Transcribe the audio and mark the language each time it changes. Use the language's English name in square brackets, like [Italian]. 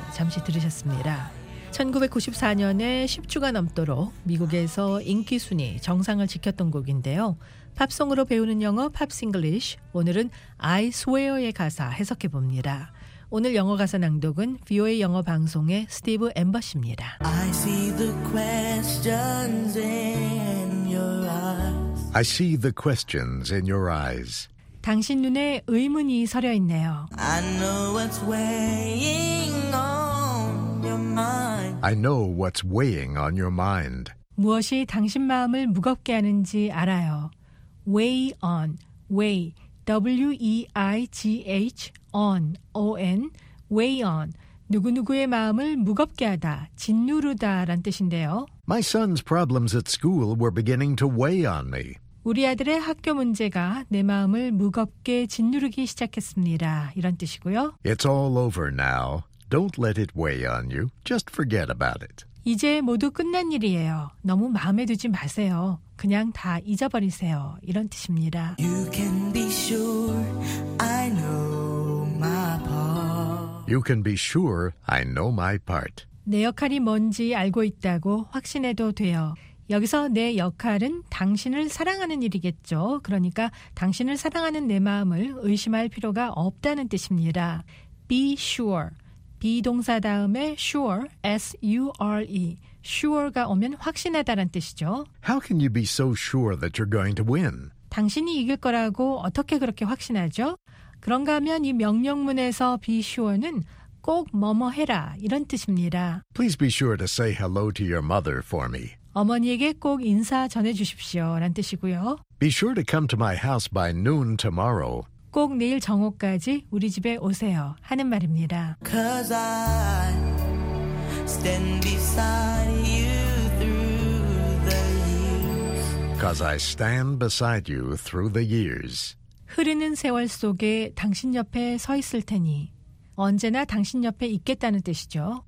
[Korean] 잠시 들으셨습니다. 1994년에 10주가 넘도록 미국에서 인기 순위 정상을 지켰던 곡인데요. 팝송으로 배우는 영어 팝스 잉글리쉬, 오늘은 I Swear의 가사 해석해봅니다. 오늘 영어 가사 낭독은 VOA 영어 방송의 스티브 엠버시입니다. [English] I see the questions in your eyes. I see the questions in your eyes. [Korean] 당신 눈에 의문이 서려 있네요. [English] I know what's weighing on your mind. I know what's weighing on your mind. [Korean] 무엇이 당신 마음을 무겁게 하는지 알아요. [English] Weigh on, weigh, W-E-I-G-H, on, O-N, weigh on. [Korean] 누구누구의 마음을 무겁게 하다, 짓누르다 란 뜻인데요. [English] My son's problems at school were beginning to weigh on me. [Korean] 우리 아들의 학교 문제가 내 마음을 무겁게 짓누르기 시작했습니다. 이런 뜻이고요. [English] It's all over now. Don't let it weigh on you. Just forget about it. [Korean] 이제 모두 끝난 일이에요. 너무 마음에 두지 마세요. 그냥 다 잊어버리세요. 이런 뜻입니다. [English] You can be sure I know my part. You can be sure I know my part. [Korean] 내 역할이 뭔지 알고 있다고 확신해도 돼요. 여기서 내 역할은 당신을 사랑하는 일이겠죠. 그러니까 당신을 사랑하는 내 마음을 의심할 필요가 없다는 뜻입니다. [English] Be sure. [Korean] Be 동사 다음에 sure, S-U-R-E. Sure가 오면 확신하다란 뜻이죠. [English] How can you be so sure that you're going to win? [Korean] 당신이 이길 거라고 어떻게 그렇게 확신하죠? 그런가 하면 이 명령문에서 be sure는 꼭 뭐뭐 해라 이런 뜻입니다. [English] Please be sure to say hello to your mother for me. [Korean] 어머니에게 꼭 인사 전해주십시오란 뜻이고요. [English] Be sure to come to my house by noon tomorrow. [Korean] 꼭 내일 정오까지 우리 집에 오세요 하는 말입니다. [English] Cause I stand beside you through the years. Cause I stand beside you through the years. [Korean] 흐르는 세월 속에 당신 옆에 서 있을 테니 언제나 당신 옆에 있겠다는 뜻이죠.